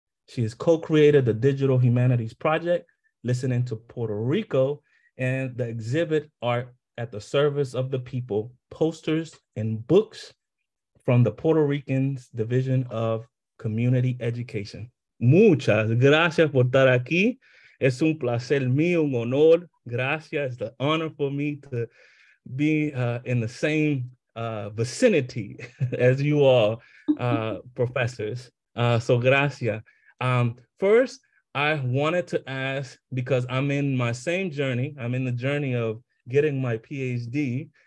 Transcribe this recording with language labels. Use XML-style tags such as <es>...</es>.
<en>She has co-created the Digital Humanities Project, Listening to Puerto Rico, and the exhibit Art at the Service of the People, Posters and Books from the Puerto Ricans Division of Community Education.</en> <es>Muchas gracias por estar aquí. Es un placer mío, un honor. Gracias.</es> <en>It's the honor for me to be in the same vicinity as you all, professors. So gracias. First, I wanted to ask, because I'm in my same journey, I'm in the journey of getting my PhD.</en>